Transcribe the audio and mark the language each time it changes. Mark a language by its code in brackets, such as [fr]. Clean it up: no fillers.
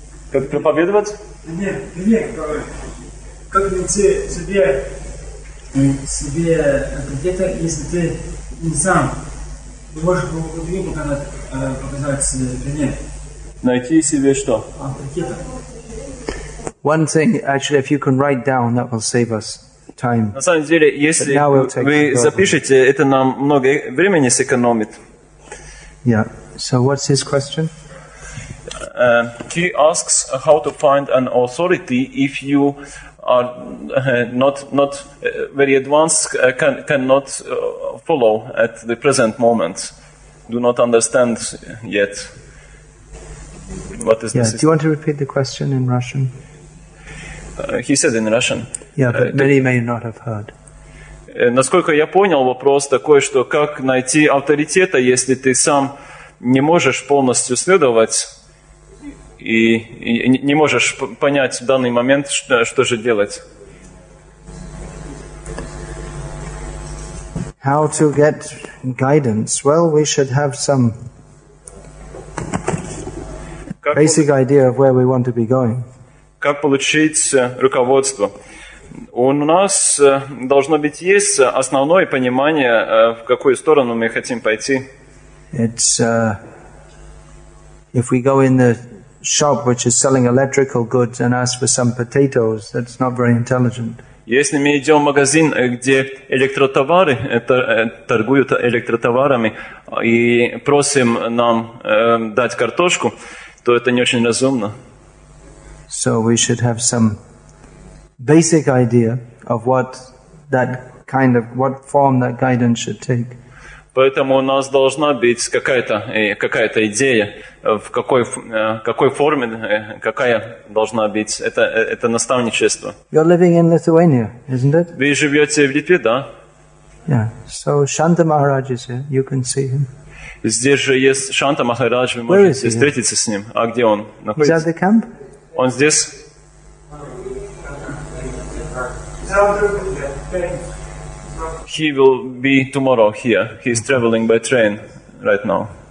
[ru] Как проповедовать? Нет, как найти себе где-то, если ты не сам не можешь другим показать пример. Найти себе что? Ответа. [en] One thing, actually, if you can write down, that will save us time. [ru] На самом деле, если вы запишете, это нам много времени сэкономит. [en] Yeah. So what's his question? He asks how to find an authority if you are not very advanced, cannot follow at the present moment, do not understand yet what is this. Do you want to repeat the question in Russian? He said in Russian. Yeah, but many may not have heard. [ru] Насколько я понял, вопрос такой, что как найти авторитета, если ты сам не можешь полностью следовать и не можешь понять в данный момент, что же делать. [en] How to get guidance? Well, we should have some basic idea of where we want to be going. [ru] Как получить руководство? У нас должно быть есть основное понимание, в какую сторону мы хотим пойти. [en] It's if we go in the shop which is selling electrical goods and ask for some potatoes, that's not very intelligent. [ru] Если мы идем в магазин, где электротовары, торгуют электротоварами, и просим нам дать картошку, то это не очень разумно. [en] So we should have some basic idea of what that kind of what form that guidance should take. [ru] Поэтому у нас должна быть какая-то идея, в какой форме, какая должна быть это наставничество. [en] You're living in Lithuania, isn't it? [ru] Вы живете в Литве, да? [en] Yeah. So Shanta Maharaj is here. You can see him. [ru] Здесь же есть Шанта Махарадж, вы можете встретиться с ним. А где он находится? [en] He's at the camp? [ru] Он здесь? [en] He will be tomorrow here. He's traveling by train right now.